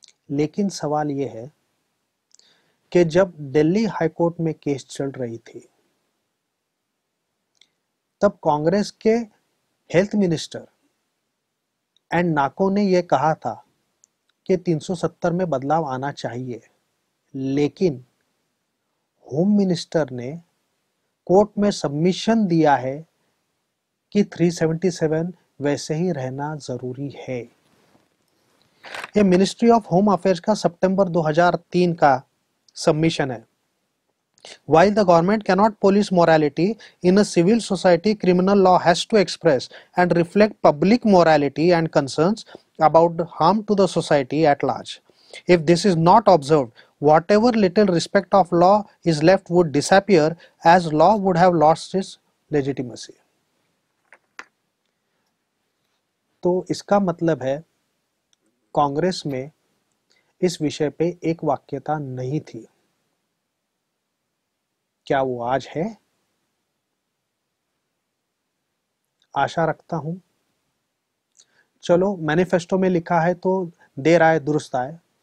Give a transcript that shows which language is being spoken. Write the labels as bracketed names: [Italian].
[Hindi] लेकिन सवाल ये है कि जब दिल्ली हाईकोर्ट में केस चल रही थी, तब कांग्रेस के हेल्थ मिनिस्टर एंड नाको ने यह कहा था कि 370 में बदलाव आना चाहिए, लेकिन होम मिनिस्टर ने कोर्ट में सबमिशन दिया है कि 377 वैसे ही रहना जरूरी है. ये मिनिस्ट्री ऑफ होम अफेयर्स का सितंबर 2003 का सबमिशन है. [English] While the government cannot police morality in a civil society, criminal law has to express and reflect public morality and concerns about harm to the society at large. If this is not observed, whatever little respect of law is left would disappear as law would have lost its legitimacy. [Hindi] तो इसका मतलब है कांग्रेस में इस विषय पे एक वाक्यता नहीं थी. क्या वो आज है? आशा रखता हूं. चलो, मैनिफेस्टो में लिखा है तो देर आए दुरुस्त आए.